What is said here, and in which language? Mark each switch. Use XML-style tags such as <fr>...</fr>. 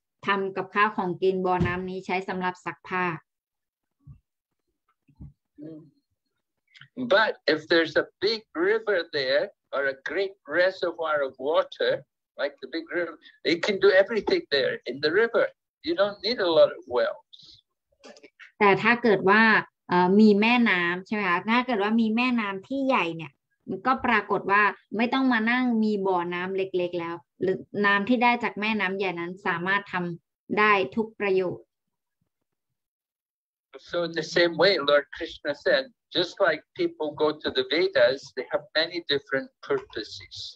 <th>เพราะฉะนั้นย้อนกลับไปที่ประเทศอินเดียใช่ไหมคะที่นั่นเนี่ยเขาจะมีเป็นบ่อน้ำและบ่อน้ำแต่ละอย่างเนี่ยก็จะนำไปใช้ในประโยชน์ที่แตกต่างกันออกไปอย่างเช่นบ่อน้ำนี้จะใช้สำหรับอาบน้ำบ่อน้ำนี้ใช้สำหรับทำกับข้าวของกินบ่อน้ำนี้ใช้สำหรับซักผ้า</th> <en>But if there's a big river there, or a great reservoir of water, like the big river, it can do everything there in the river. You don't need a lot of wells.</en> <th>แต่ถ้าเกิดว่ามีแม่น้ำใช่ไหมคะถ้าเกิดว่ามีแม่น้ำที่ใหญ่เนี่ยก็ปรากฏว่าไม่ต้องมานั่งมีบ่อน้ำเล็กๆแล้วน้ำที่ได้จากแม่น้ำใหญ่นั้นสามารถทำได้ทุกประโยชน์</th> <en>So in the same way, Lord Krishna said, just like people go to the Vedas, they have many different purposes.</en>